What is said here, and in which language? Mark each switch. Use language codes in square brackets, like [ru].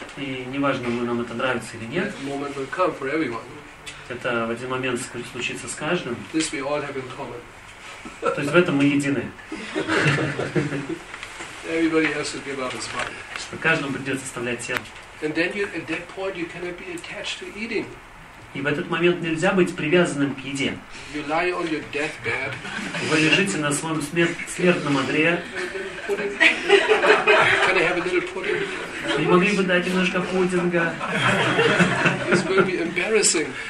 [ru] и неважно, нам это нравится или нет, [en] that moment will come for everyone. [ru] Это в один момент случится с каждым. [en] This we all have in common. [ru] То есть в этом мы едины. [en] Everybody has to give up his body. [ru] Что каждому придется оставлять тело. [en] And then you, at that point, you cannot be attached to eating. [ru] И в этот момент нельзя быть привязанным к еде. [en] You lie on your deathbed. [ru] Вы лежите на своем смертном одре. [en] Can I have a little pudding? [ru] Не могли бы дать немножко пудинга? [en] This will be embarrassing.